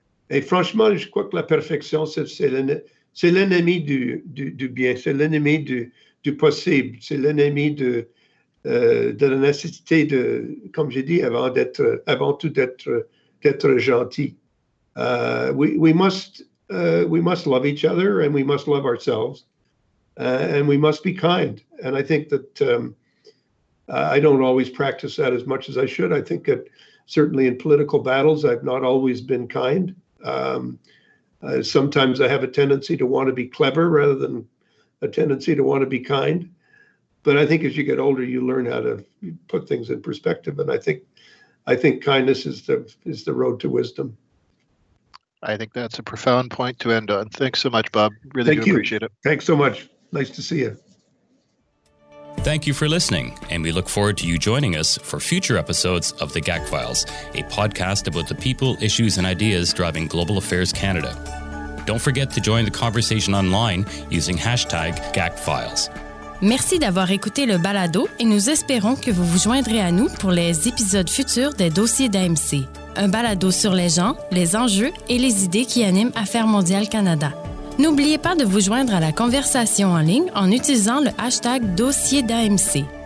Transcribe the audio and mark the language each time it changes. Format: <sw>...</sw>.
<fr>Et franchement, je crois que la perfection, c'est l'ennemi du bien, c'est l'ennemi du possible, c'est l'ennemi de la nécessité de, comme j'ai dit, avant tout d'être gentil.</fr> <en>We must love each other and we must love ourselves and we must be kind. And I think that I don't always practice that as much as I should. I think that certainly in political battles, I've not always been kind. Sometimes I have a tendency to want to be clever rather than a tendency to want to be kind. But I think as you get older, you learn how to put things in perspective. And I think kindness is the road to wisdom. I think that's a profound point to end on. Thanks so much, Bob. Really Thank do you. Appreciate it. Thanks so much. Nice to see you. Thank you for listening, and we look forward to you joining us for future episodes of The GAC Files, a podcast about the people, issues, and ideas driving Global Affairs Canada. Don't forget to join the conversation online using hashtag GAC Files.</en> <fr>Merci d'avoir écouté le balado, et nous espérons que vous vous joindrez à nous pour les épisodes futurs des dossiers d'AMC, un balado sur les gens, les enjeux et les idées qui animent Affaires mondiales Canada. N'oubliez pas de vous joindre à la conversation en ligne en utilisant le hashtag dossier d'AMC.</fr>